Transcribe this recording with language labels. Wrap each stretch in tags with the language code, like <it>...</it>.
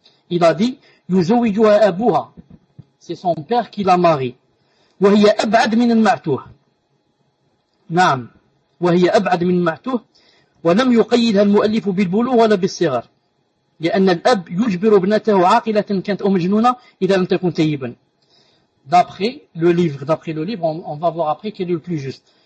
<fr>Il a dit,</fr> <ar>يُزَوِّجُهَا أَبُوهَا</ar> <fr>C'est son père qui la marie.</fr> <ar>وَهِيَ أَبْعَدْ مِنَ الْمَعْتُوهَ نعم. وَهِيَ أَبْعَدْ مِنَ الْمَعْتُوهَ وَلَمْ يُقَيِّدْهَا الْمُؤَلِّفُ بِالْبُلُوغَ وَلَا بِالصِّغَرِ لأن الأب يجبر ابنته عاقلة كانت أو مجنونة إذا لم تكن طيبا.</ar> <fr>D'après le livre, on va voir après quel est le plus juste.</fr>